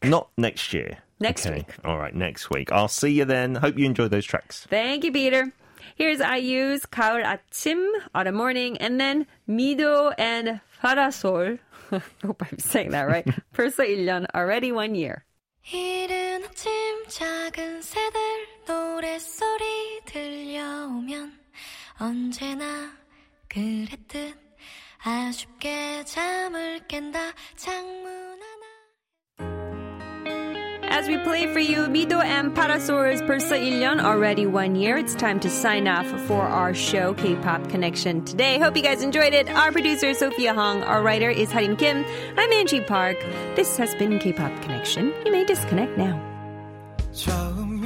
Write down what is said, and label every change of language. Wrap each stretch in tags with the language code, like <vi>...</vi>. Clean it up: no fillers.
<en>Not next year. Next week. All right. Next week. I'll see you then. Hope you enjoy those tracks. Thank you, Peter. Here's IU's 가을 아침, Autumn Morning, and then 미도 and 파라솔. I hope I'm saying that right. 벌써 1년, Already 1 Year.</en> <ko>이른 아침 작은 새들 노랫소리 들려오면 언제나 그랬듯 아쉽게 잠을 깬다 창문 하나.</ko> <en>as we play for you Mido and Parasaur's Persa Ilion, already 1 year. It's time to sign off for our show, K-Pop Connection Today. Hope you guys enjoyed it. Our producer is Sophia Hong. Our writer is Harim Kim. I'm Angie Park. This has been K-Pop Connection. You may disconnect now.</en>